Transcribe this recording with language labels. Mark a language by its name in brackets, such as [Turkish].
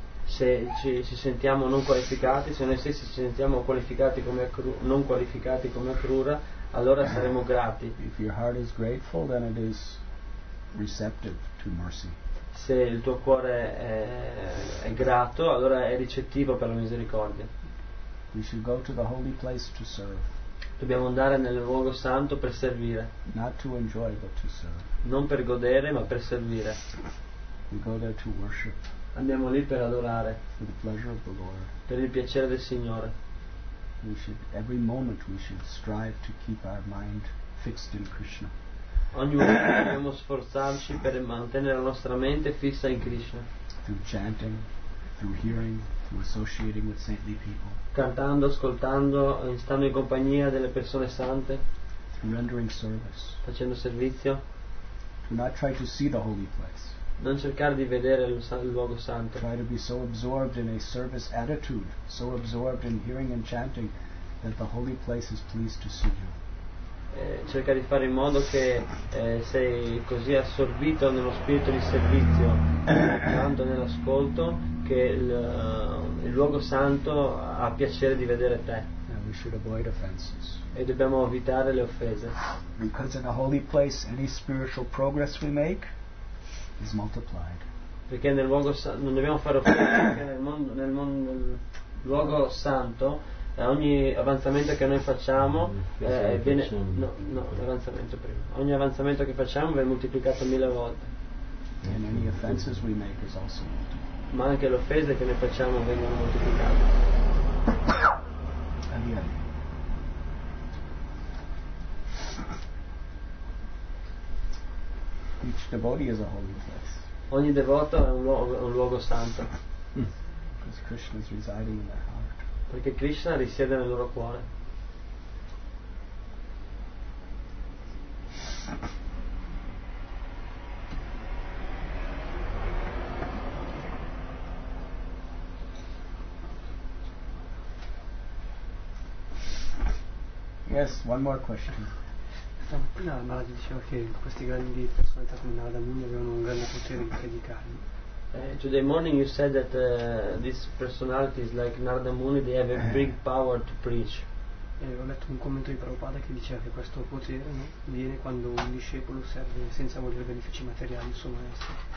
[Italian] Se ci sentiamo non qualificati, se noi stessi ci sentiamo qualificati come non qualificati come Krura, allora saremo grati. [English] If your heart is grateful, then it is receptive to mercy. [Italian] Se il tuo cuore è grato, allora è ricettivo per la misericordia. [English] We should go to the holy place to serve. [Italian] Dobbiamo andare nel luogo santo per servire. [English] Not to enjoy, but to serve. [Italian] Non per godere, ma per servire. [English] We go there to worship. [Italian] Andiamo lì per adorare. [English] For the pleasure of the Lord. [Italian] Per il piacere del Signore. [English] We should, every moment we should strive to keep our mind fixed in Krishna. [Italian] Ogni volta dobbiamo sforzarci per mantenere la nostra mente fissa in Krishna. [English] Through chanting, through hearing, through associating with saintly people. [Italian] Cantando, ascoltando, stando in compagnia delle persone sante. [English] Through rendering service. [Italian] Facendo servizio. [English] Do not try to see the holy place. [Italian] Non cercare di vedere il luogo santo. [English] Try to be so absorbed in a service attitude, so absorbed in hearing and chanting, that the holy place is pleased to see you. [Italian] Cerca di fare in modo che sei così assorbito nello spirito di servizio tanto nell'ascolto che il luogo santo ha piacere di vedere te. [English] We should avoid offenses. [Italian] E dobbiamo evitare le offese. [English] Because in a holy place any spiritual progress we make is multiplied. [Italian] Perché nel luogo non dobbiamo fare offese, perché nel luogo santo ogni avanzamento che noi facciamo viene avanzamento prima. Ogni avanzamento che facciamo viene moltiplicato 1000 volte. [English] And any offenses we make is also multiplied. [Italian] Ma anche le offese che noi facciamo vengono moltiplicate. [English] Again. Each devotee is a holy place. [Italian] Ogni devoto è un luogo santo. [English] Because Krishna is residing in their heart. [Italian] Perché Krishna risiede nel loro cuore. [English] Yes, one more question. [Italian] Prima Maharaj diceva che questi grandi personalità come Narada Muni avevano un grande potere di predicare. [English] Today morning you said that these personalities like Narada Muni, they have a big power to preach. [Italian] Ho letto un commento di Prabhupada che diceva che questo potere, no, viene quando un discepolo serve senza volere benefici materiali al suo maestro.